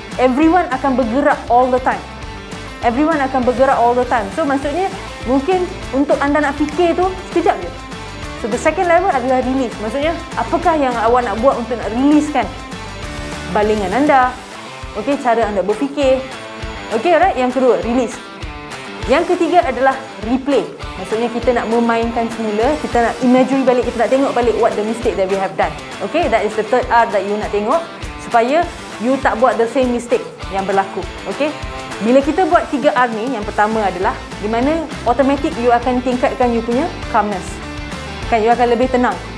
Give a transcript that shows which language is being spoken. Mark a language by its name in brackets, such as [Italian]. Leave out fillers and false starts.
[Malay] Everyone akan bergerak [English] all the time. [Malay] Everyone akan bergerak all the time. So, maksudnya, mungkin untuk anda nak fikir tu, sekejap je. So, [English] the second level [Malay] adalah release. Maksudnya, apakah yang awak nak buat untuk nak releasekan balingan anda? Okay, cara anda berfikir. Okay, alright. Yang kedua, release. Yang ketiga adalah replay. Maksudnya, kita nak memainkan semula. Kita nak imagine balik, kita nak tengok balik [English] what the mistake that we have done. Okay, that is the third R that you nak tengok. [Malay] Supaya you tak buat the same mistake yang berlaku. Okay? Bila kita buat tiga R ni, yang pertama adalah di mana automatic you akan tingkatkan you punya calmness. Kan, you akan lebih tenang.